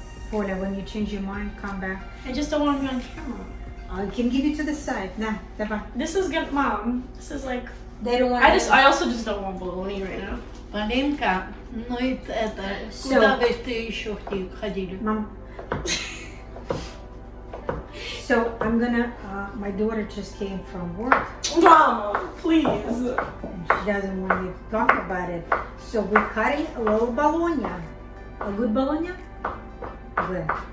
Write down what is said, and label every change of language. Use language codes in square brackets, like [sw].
[en] Поля, when you change your mind, come back. I just don't want to be on camera. I can give you to the side. Nah, [ru] давай. [en] This is good, mom. This is like... They don't want to... I also just don't want bologna right now. [ru] Маринка, ну и это, куда бы ты еще ходили? Мам. [en] So, I'm gonna, my daughter just came from work. Mama, please. She doesn't want me to talk about it. So, we're cutting a little bologna. A good bologna? Good.